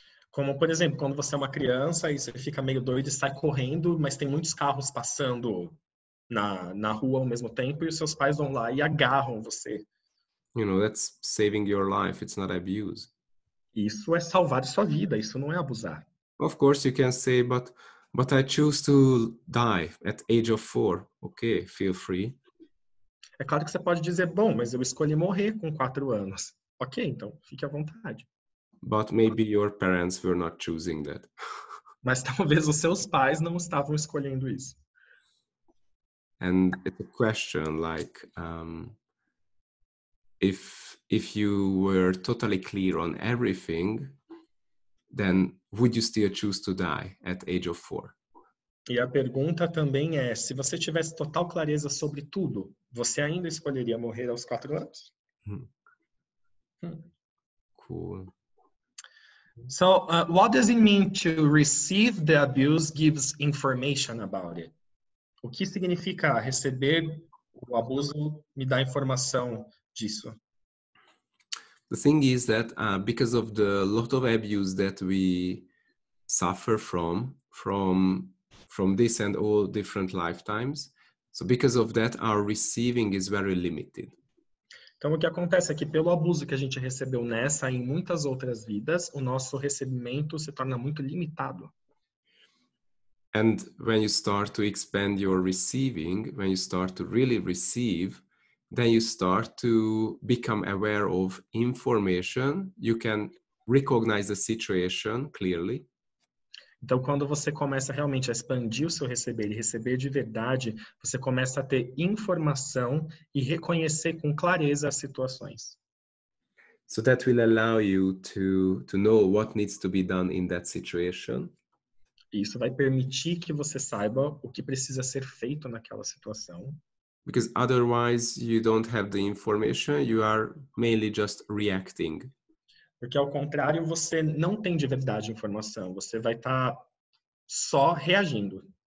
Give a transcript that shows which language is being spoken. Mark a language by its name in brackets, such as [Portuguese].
[Portuguese] Como, por exemplo, quando você é uma criança e você fica meio doido e sai correndo, mas tem muitos carros passando na rua ao mesmo tempo e os seus pais vão lá e agarram você. [English] You know, that's saving your life, it's not abuse. [Portuguese] Isso é salvar sua vida, isso não é abusar. [English] Of course you can say, But I choose to die at age of 4. Okay, feel free. [Portuguese] É claro que você pode dizer, bom, mas eu escolhi morrer com 4 anos. Ok, então, fique à vontade. [English] But maybe your parents were not choosing that. [Portuguese] Mas talvez os seus pais não estavam escolhendo isso. [English] And it's a question like, if you were totally clear on everything, then would you still choose to die at age of 4? [Portuguese] E a pergunta também é, se você tivesse total clareza sobre tudo, você ainda escolheria morrer aos 4 anos? [English] Cool. So, what does it mean to receive the abuse gives information about it? [Portuguese] O que significa receber o abuso me dá informação disso? [English] The thing is that because of the lot of abuse that we suffer from this and all different lifetimes, so because of that, our receiving is very limited. [Portuguese] Então, o que acontece é que pelo abuso que a gente recebeu nessa e em muitas outras vidas, o nosso recebimento se torna muito limitado. [English] And when you start to expand your receiving, when you start to really receive, then you start to become aware of information. You can recognize the situation clearly. [Portuguese] Então, quando você começa realmente a expandir o seu receber e receber de verdade, você começa a ter informação e reconhecer com clareza as situações. [English] So that will allow you to know what needs to be done in that situation. [Portuguese] Isso vai permitir que você saiba o que precisa ser feito naquela situação. [English] Because otherwise you don't have the information, you are mainly just reacting. [Portuguese] Porque ao contrário, você não tem de verdade informação, você vai estar só reagindo.